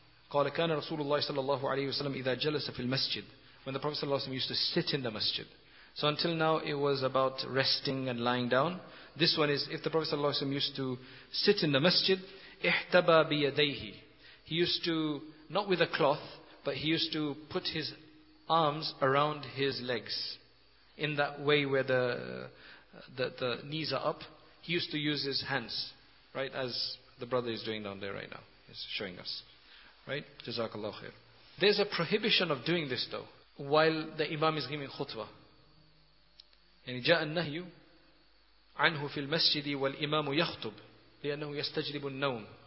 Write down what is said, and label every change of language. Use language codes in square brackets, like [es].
[ar] قال كان رسول الله صلى الله عليه وسلم إذا جلس في المسجد. [en] When the Prophet صلى الله عليه وسلم used to sit in the masjid. So until now it was about resting and lying down. This one is if the Prophet صلى الله عليه وسلم used to sit in the masjid. [ar] احتبى بيديه. [en] He used to, not with a cloth, but he used to put his arms around his legs in that way where the knees are up. He used to use his hands, right, as the brother is doing down there right now. He's showing us, right? Jazakallah khair. There's a prohibition of doing this though, while the imam is giving khutbah. [ar] يعني جاء النهي عنه في المسجد والإمام يخطب لأنه يستجلب النوم.